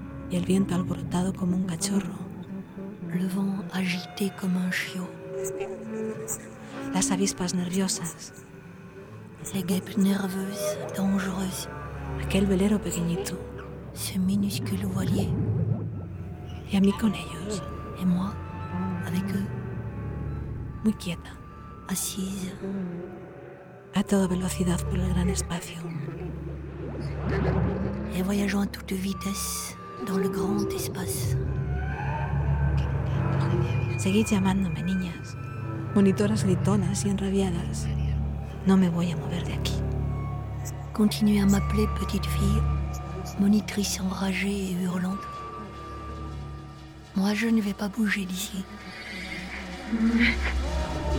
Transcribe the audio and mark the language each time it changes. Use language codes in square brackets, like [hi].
[es] Y el viento alborotado como un cachorro. [fr] Le vent agité comme un chiot. [es] Las avispas nerviosas. [fr] Les guêpes nerveuses, dangereuses. [es] Aquel velero pequeñito. [fr] Ce minuscule voilier. [es] Y a mí con ellos. [fr] Et moi, avec eux. [es] Muy quieta. [fr] Assise. [es] A toda velocidad por el gran espacio. [fr] Y voyageant a toute vitesse. Dans le grand espace. [es] Seguid llamándome, niñas. Monitoras gritonas y enrabiadas. No me voy a mover de aquí. [fr] Continuez à m'appeler, petite fille. Monitrice enragée et hurlante. Moi, je ne vais pas bouger d'ici.